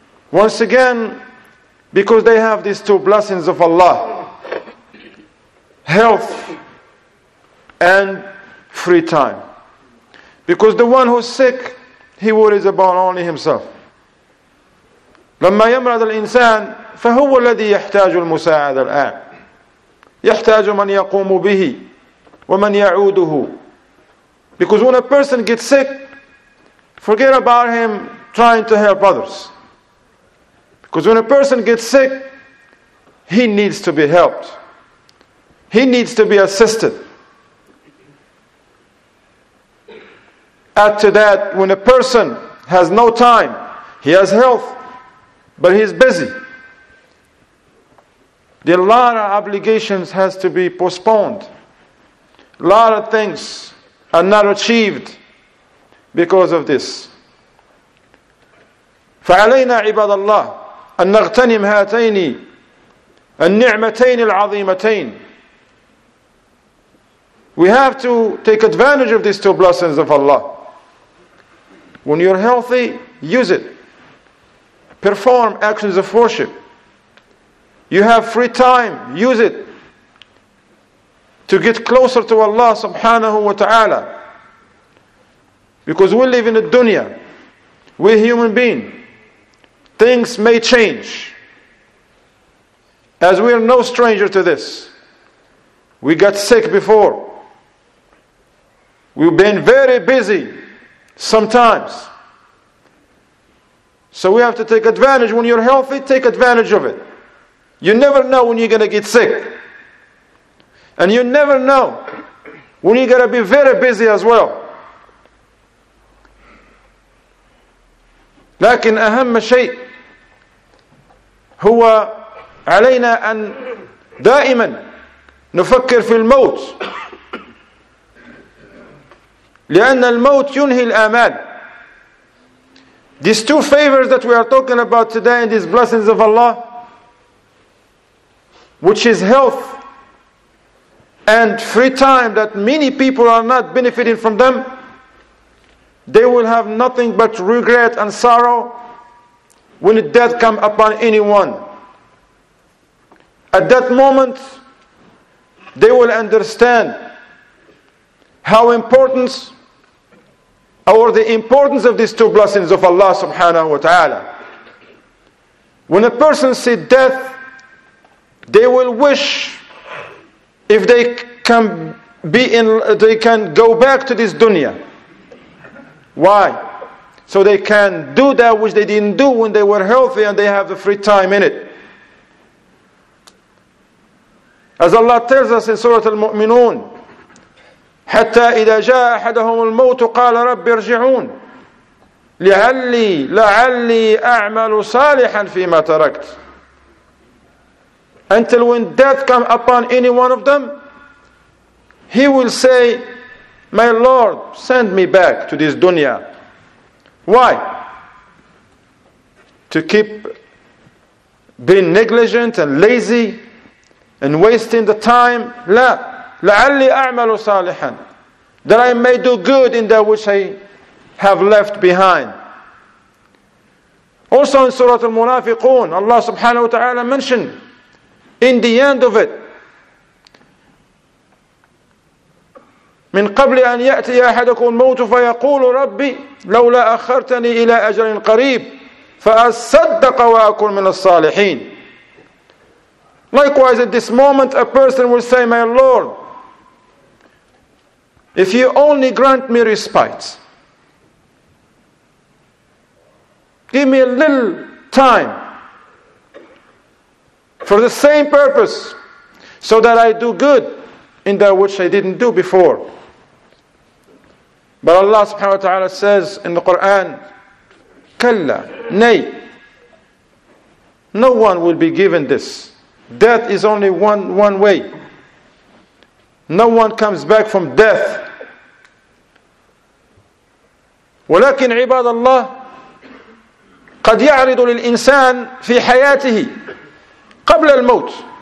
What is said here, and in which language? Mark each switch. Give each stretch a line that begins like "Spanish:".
English: Once again, because they have these two blessings of Allah, health and free time. Because the one who's sick, he worries about only himself.
Arabic: لما يمرض الإنسان فهو الذي يحتاج المساعدة الآن يحتاج من يقوم به ومن يعوده.
English: Because when a person gets sick, forget about him trying to help others. Because when a person gets sick, he needs to be helped. He needs to be assisted. Add to that, when a person has no time, he has health, but he's busy, the lot of obligations has to be postponed. A lot of things are not achieved because of this.
Arabic: فعلينا عباد الله أن نغتنم هاتين النعمتين العظيمتين.
English: We have to take advantage of these two blessings of Allah. When you're healthy, use it. Perform actions of worship. You have free time, use it to get closer to Allah subhanahu wa ta'ala. Because we live in a dunya, we're human beings. Things may change. As we are no stranger to this, we got sick before. We've been very busy sometimes. So we have to take advantage. When you're healthy, take advantage of it. You never know when you're going to get sick. And you never know when you're going to be very busy as well.
Arabic: لكن أهم شيء هو علينا أن دائما نفكر في الموت، لأن الموت ينهي الآمال.
English: These two favors that we are talking about today and these blessings of Allah, which is health and free time, that many people are not benefiting from them, they will have nothing but regret and sorrow when death come upon anyone. At that moment, they will understand how important or the importance of these two blessings of Allah subhanahu wa ta'ala. When a person see death, they will wish if they can be in, they can go back to this dunya. Why? So they can do that which they didn't do when they were healthy and they have the free time in it. As Allah tells us in Surah Al-Mu'minun,
Arabic: حَتَّى إِذَا جَاءَ أَحَدَهُمُ الْمَوْتُ قَالَ رَبِّ ارْجِعُونَ لَعَلِّي أَعْمَلُ صَالِحًا فِي مَا تَرَكْتُ.
English: Until when death come upon any one of them, he will say, my Lord, send me back to this dunya. Why? To keep being negligent and lazy and wasting the time.
Arabic: La, لعلي أعمل صالحا.
English: That I may do good in that which I have left behind. Also in Surah Al-Munafiqun, Allah subhanahu wa ta'ala mentioned, in the end of it,
Arabic: من قبل أن يأتي أحدكم الموت فيقول ربي لولا أخرتني إلى أجل قريب فأصدق وأكون من الصالحين.
English: Likewise, at this moment, a person will say, my Lord, if you only grant me respite, give me a little time for the same purpose, so that I do good in that which I didn't do before. But Allah subhanahu wa ta'ala says in the Quran, Kalla, nay, no one will be given this. Death is only one way. No one comes back from death.
Arabic: ولكن عباد الله قد يعرض للإنسان في حياته قبل الموت.